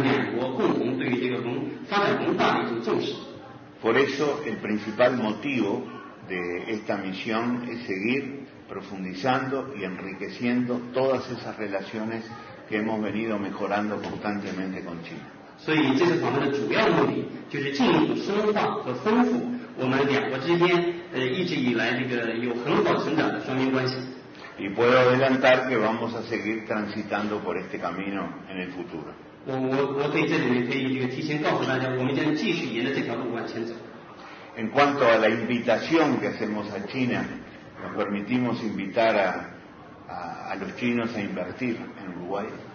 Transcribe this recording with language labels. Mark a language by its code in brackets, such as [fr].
[zh] 刚刚郑老师所指出的，这些因素呢，同时呢，不仅体现了这个投资和贸易方面，同时呢，体现了我们两国共同对于这个发展宏大的一种重视。 [es] Por eso el principal motivo de esta misión es seguir profundizando y enriqueciendo todas esas relaciones que hemos venido mejorando constantemente con China. [zh] 所以这次访问的主要目的就是进一步深化和丰富我们两国之间一直以来这个有很好成长的双边关系。 [es] Y puedo adelantar que vamos a seguir transitando por este camino en el futuro. [zh] 我在这里面可以提前告诉大家，我们将继续沿着这条路往前走。 [es] En cuanto a la invitación que hacemos a China, nos permitimos invitar a los chinos a invertir en Uruguay.